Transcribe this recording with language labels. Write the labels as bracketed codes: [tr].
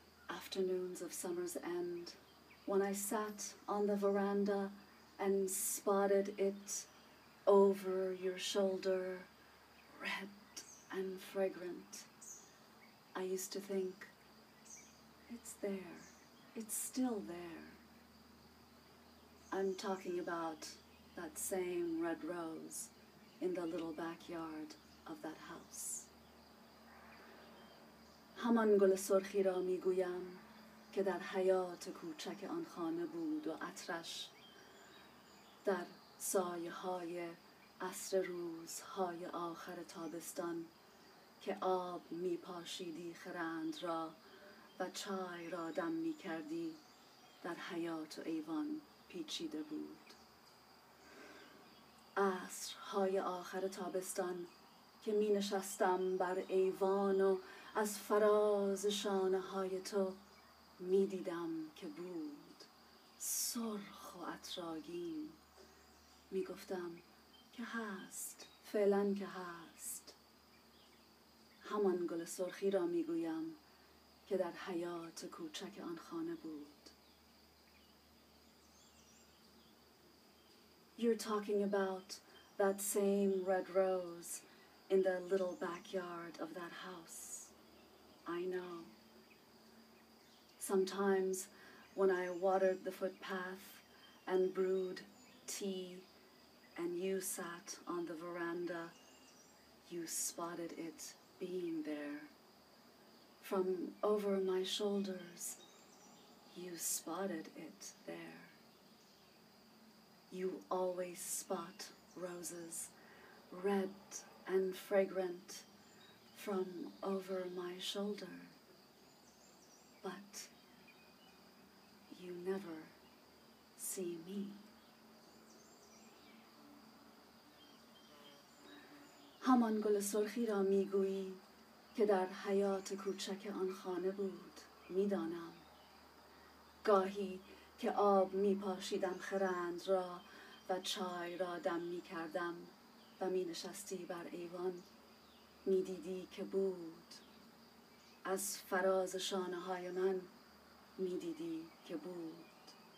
[en] Afternoons of summer's end, when I sat on the veranda and spotted it over your shoulder, red and fragrant, I used to think, it's there, it's still there. I'm talking about that same red rose in the little backyard of that house. [fa] همان گل سرخی را میگویم که در حیات کوچک آن خانه بود و عطرش در سایه های عصر روزهای آخر تابستان که آب می پاشیدی خرند را و چای را دم می کردی در حیات و ایوان پیچیده بود. عصرهای آخر تابستان که می نشستم بر ایوان و از فراز شانه های تو می دیدم که بود سرخ و عطرآگین. می گفتم که هست، فعلا که هست. همان گل سرخی را می گویم که در حیات کوچک آن خانه بود. [en] You're talking about that same red rose in the little backyard of that house. I know. Sometimes when I watered the footpath and brewed tea and you sat on the veranda, you spotted it being there. From over my shoulders, you spotted it there. You always spot roses, red and fragrant, from over my shoulder, but you never see me. [fa] همان گل سرخی را میگویی که در حیات کوچک آن خانه بود. میدانم گاهی که آب میپاشیدم خرند را و چای را دم میکردم و مینشستی بر ایوان، می دیدی که بود از فراز شانه های من، می دیدی که بود